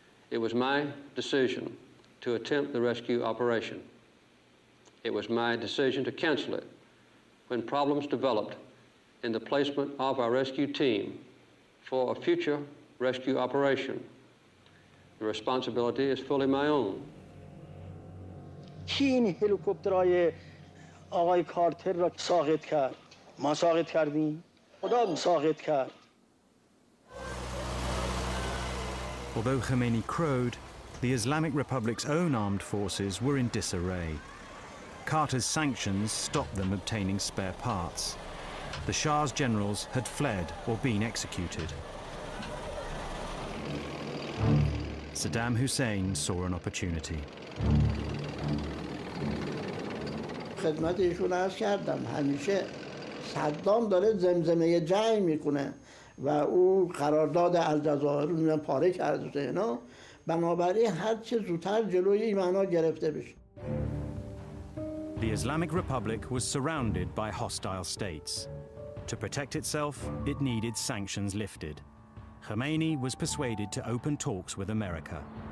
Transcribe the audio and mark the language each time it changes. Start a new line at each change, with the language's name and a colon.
English: It was my decision to attempt the rescue operation. It was my decision to cancel it when problems developed in the placement of our rescue team for a future rescue operation. The responsibility is fully my own.
Persian: Keen helicopter aye آقای کارتر را ساقط کرد. ما ساقط کردیم. خدا هم ساقط کرد.
English: Although Khomeini crowed, the Islamic Republic's own armed forces were in disarray. Carter's sanctions stopped them obtaining spare parts. The Shah's generals had fled or been executed. Saddam Hussein saw an opportunity.
Persian: خدمت ایشون عرض کردم همیشه صدام داره زمزمه جنگ میکنه و او قرارداد الجزایر رو پاره کرده بوده اینا بنابراین هر چه زودتر جلوی این معنا گرفته بشه.
English: The Islamic Republic was surrounded by hostile states. To protect itself, it needed sanctions lifted. Khomeini was persuaded to open talks with America.